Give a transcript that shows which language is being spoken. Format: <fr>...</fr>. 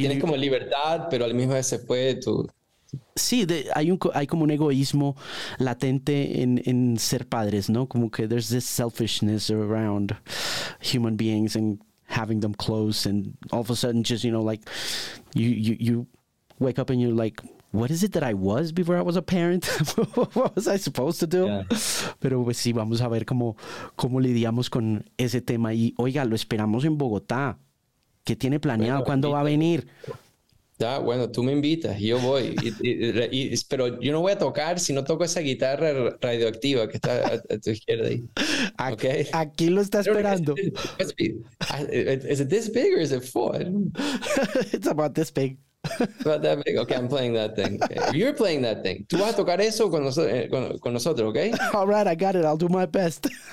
<es>Tienes como libertad, pero al mismo tiempo se fue tu... Sí, hay como un egoísmo latente en ser padres, ¿no? Como que</es> <en>there's this selfishness around human beings and having them close, and all of a sudden just, you know, like you wake up and you're like, what is it that I was before I was a parent? What was I supposed to do? Yeah.</en> <es>Pero pues sí, vamos a ver cómo lidiamos con ese tema. Y oiga, lo esperamos en Bogotá. ¿Qué tiene planeado? Bueno, ¿cuándo va a venir? Bueno, tú me invitas, yo voy. Pero yo no voy a tocar si no toco esa guitarra radioactiva que está a tu izquierda ahí. ¿Okay? Aquí lo está esperando. ¿Es</es> <en>this big or is it four? It's about this big. About that big. Okay, I'm playing that thing. Okay. You're playing that thing.</en> <es>Tú vas a tocar eso con nosotros, ¿ok?</es> <en>All right, I got it. I'll do my best.</en>